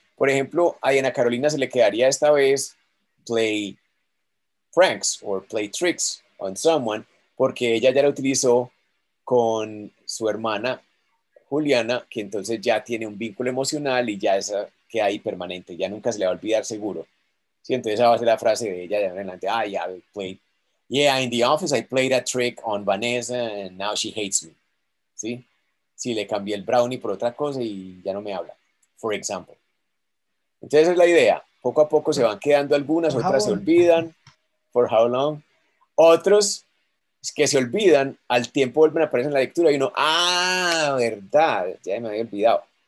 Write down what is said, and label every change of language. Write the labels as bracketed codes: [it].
[es] Por ejemplo, a Diana Carolina se le quedaría esta vez [en] play pranks or play tricks on someone, [es] porque ella ya la utilizó con su hermana Juliana, que entonces ya tiene un vínculo emocional y ya esa queda ahí permanente, ya nunca se le va a olvidar seguro. Sí, entonces esa va a ser la frase de ella de adelante. [en] Ah, yeah, I played. Yeah, in the office I played a trick on Vanessa and now she hates me. [es] ¿Sí? Sí, le cambié el brownie por otra cosa y ya no me habla. [en] For example. [es] Entonces esa es la idea. Poco a poco se van quedando algunas, otras se olvidan. [en] For how long? [es] Otros que se olvidan, al tiempo vuelven a aparecer en la lectura y uno, verdad, ya me había olvidado.